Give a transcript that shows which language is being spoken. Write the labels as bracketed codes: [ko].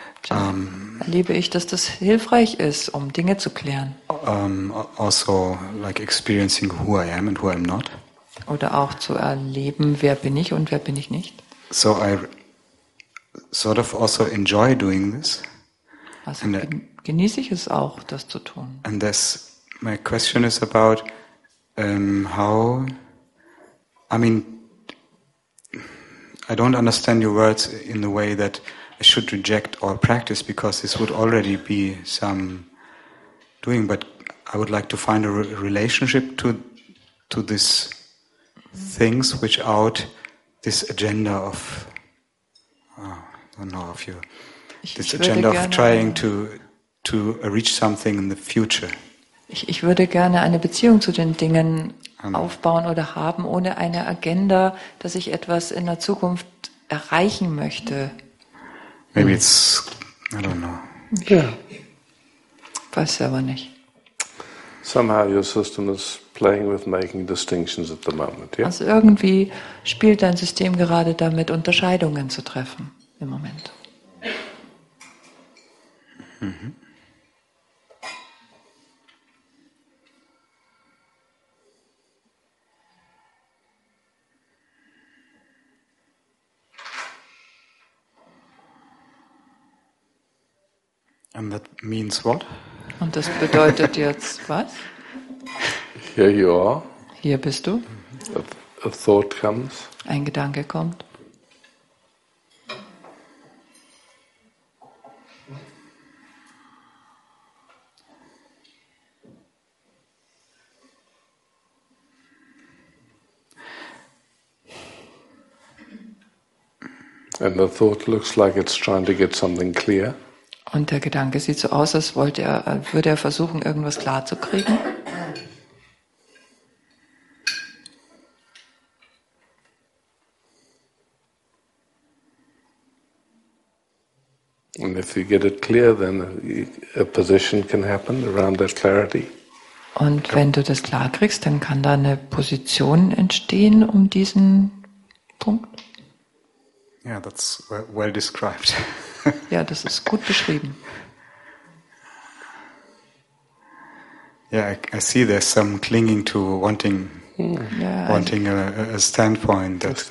[de] erlebe ich, dass das hilfreich ist, um Dinge zu klären. [en] Also like experiencing who I am and who I'm not. [de] Oder auch zu erleben, wer bin ich und wer bin ich nicht. [en] So I sort of also enjoy doing this. [de] Also genieße ich es auch, das zu tun. [en] And this my question is about How, I mean, I don't understand your words in the way that I should reject all practice, because this would already be some doing, but I would like to find a relationship to these things without this agenda of, this agenda of trying to reach something in the future. [de] Ich würde gerne eine Beziehung zu den Dingen aufbauen oder haben, ohne eine Agenda, dass ich etwas in der Zukunft erreichen möchte. [en] Maybe it's, I don't know. Yeah. [de] Weiß aber nicht. [en] Somehow your system is playing with making distinctions at the moment, yeah? [de] Also irgendwie spielt dein System gerade damit, Unterscheidungen zu treffen im Moment. Mhm. [en] And that means what? [de] Und das bedeutet jetzt was? [en] Here you are. [de] Hier bist du. [en] A thought comes. [de] Ein Gedanke kommt. [en] And the thought looks like it's trying to get something clear. [de] Und der Gedanke sieht so aus, als würde er versuchen, irgendwas klarzukriegen. [en] And if you get it clear, then a position can happen around that clarity. [de] Und wenn du das klar kriegst, dann kann da eine Position entstehen um diesen Punkt. [en] Yeah, that's well described. [de] Ja, das ist gut beschrieben. [en] Yeah, I see there's some clinging to wanting a standpoint.